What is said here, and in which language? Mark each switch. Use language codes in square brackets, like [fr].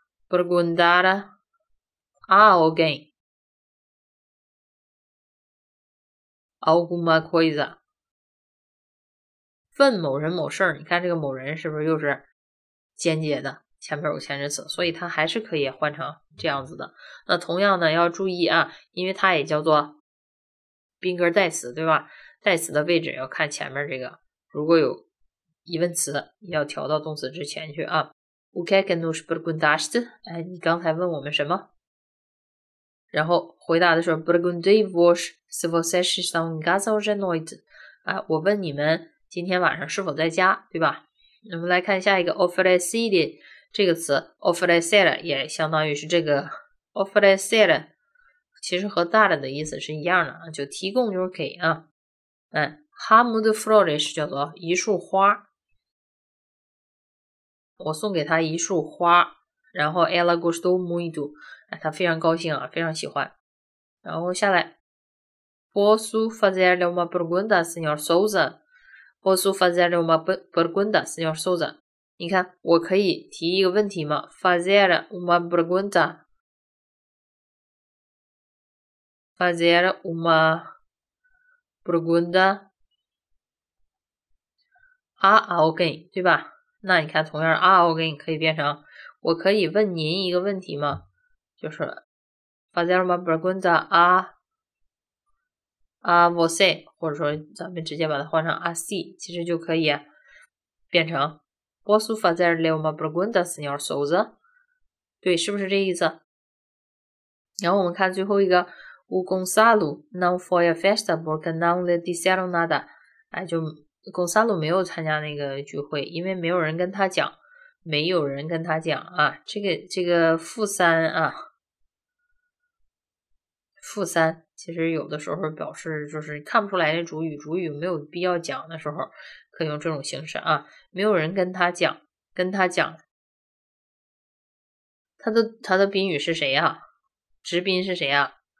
[pt] Burgundar alguém alguma coisa， [zh] 问某人某事儿，你看这个某人是不是又是间接的，前面有前置词，所以它还是可以换成这样子的。那同样呢，要注意啊，因为它也叫做宾格代词，对吧？代词的位置要看前面这个，如果有疑问词，要调到动词之前去啊。 [pt] O que é que nos perguntaste？ [zh] 哎，你刚才问我们什么？然后回答的时候 [pt] ，perguntei-vos se vocês estão em casa hoje à noite。 [zh] 啊，我问你们今天晚上是否在家，对吧？我们来看下一个 oferecer 这个词 ，oferecer 也相当于是这个 oferecer， 其实和 dar 的意思是一样的，就提供就是给啊。 [pt] ramo de flores [zh] 叫做一束花。我送给他一束花，然后 [pt] ela gostou muito， [zh] 他非常高兴啊，非常喜欢。然后下来 [pt] posso fazer-lhe uma pergunta, senhor Souza？ posso fazer-lhe uma pergunta, senhor Souza？ [zh] 你看，我可以提一个问题吗 [pt] ？fazer uma pergunta， fazer uma pergunta a alguém， [zh] 对吧？那你看，同样啊，我给你可以变成，我可以问您一个问题吗？就是 [pt] fazer uma pergunta a você， [zh] 或者说咱们直接把它换成 [pt] a si， [zh] 其实就可以变成 [pt] posso fazer-lhe uma pergunta, senhor Souza？ [zh] 对，是不是这意思？然后我们看最后一个 [pt] ，o Gonçalo não foi à festa porque não lhe disseram nada， [zh] 哎，就。 Gonçalo 没有参加那个聚会，因为没有人跟他讲，啊，这个负三啊，负三其实有的时候表示就是看不出来那主语没有必要讲的时候，可以用这种形式啊，没有人跟他讲，他的宾语是谁呀？直宾是谁呀？